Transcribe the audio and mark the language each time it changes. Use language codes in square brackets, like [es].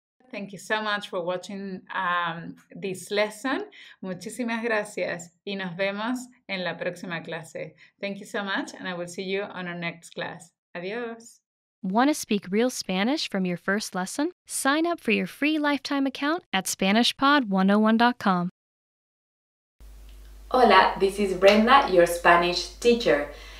[en] Thank you so much for watching this lesson. [es] Muchísimas gracias y nos vemos en la próxima clase. [en] Thank you so much and I will see you on our next class. [es] Adiós. [en] Want to speak real Spanish from your first lesson? Sign up for your free lifetime account at SpanishPod101.com. Hola, this is Brenda, your Spanish teacher.